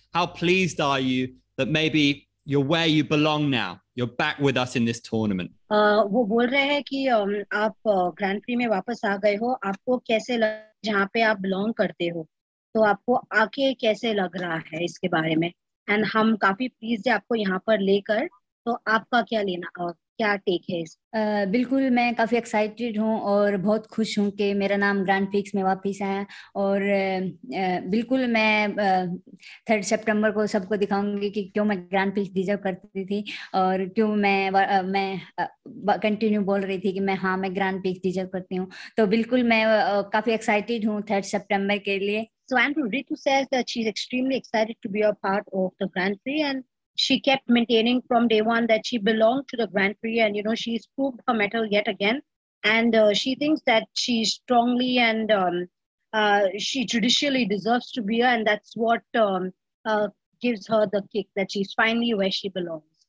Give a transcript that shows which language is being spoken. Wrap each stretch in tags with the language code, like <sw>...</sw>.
<en>How pleased are you that maybe you're where you belong now? You're back with us in this tournament.</en> <hi>वो बोल रहे हैं कि आप ग्रैंड प्री में वापस आ गए हो, आपको कैसे लग, जहाँ पे आप बिलोंग करते हो, तो आपको आके कैसे लग रहा है इसके बारे में? एंड हम काफी प्लीज्ड है आपको यहाँ पर लेकर, तो आपका क्या लेना, क्या टेक है इस? बिल्कुल, मैं काफी एक्साइटेड हूँ और बहुत खुश हूँ कि मेरा नाम ग्रैंड प्रिक्स में वापस आया, और बिल्कुल मैं 3 सितंबर को सबको दिखाऊंगी कि क्यों मैं ग्रैंड प्रिक्स डिजर्व करती थी और क्यों मैं कंटिन्यू बोल रही थी कि मैं, हाँ, मैं ग्रैंड प्रिक्स डिजर्व करती हूँ. तो बिल्कुल मैं काफी एक्साइटेड हूँ 3 सितंबर के लिए.</hi> <en>So Andrew, Ritu says that she's extremely excited to be a part of the Grand Prix, and she kept maintaining from day one that she belonged to the Grand Prix, and you know, she's proved her mettle yet again, and she thinks that she's strongly and she traditionally deserves to be here, and that's what gives her the kick that she's finally where she belongs.</en>